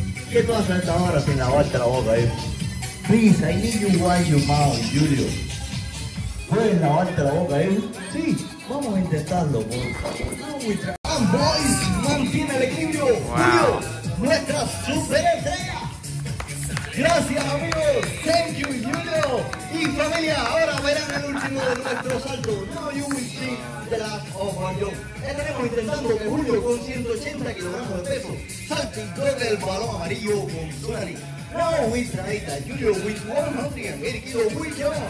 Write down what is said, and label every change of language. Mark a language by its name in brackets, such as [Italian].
[Spanish] ¿Qué pasa esta hora sin lavarte la boca, eh? [English] Please, I need you wash your mouth, Julio. [Spanish] ¿Puedes lavarte la boca, eh? Sí, vamos a intentarlo, por favor. Boys, mantiene el equilibrio. Wow. Julio, nuestra superestrella. Gracias, amigos. [English] Thank you, Julio. [Spanish] Y familia, ahora verán el último de nuestro salto. [English] Now you will see the last of our jump. [Spanish] Estaremos intentando que Julio, con 180 kilogramos de peso, salte y toque el balón amarillo con Sunali. [English] Now we try that Julio with 180 kilos will jump.